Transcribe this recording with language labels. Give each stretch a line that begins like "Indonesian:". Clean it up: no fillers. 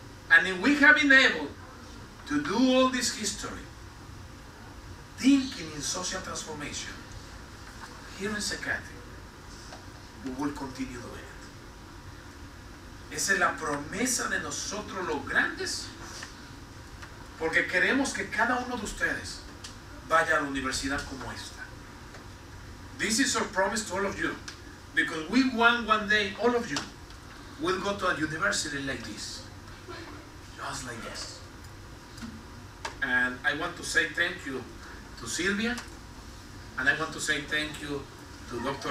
English: and if we have been able to do all this history, thinking in social transformation, here in Zacate, we will continue doing it.
Spanish: Esa es la promesa de nosotros los grandes, porque queremos que cada uno de ustedes vaya a la universidad como esta.
English: This is our promise to all of you, because we want one day all of you will go to a university like this, just like this. And I want to say thank you to Silvia, and I want to say thank you to Dr.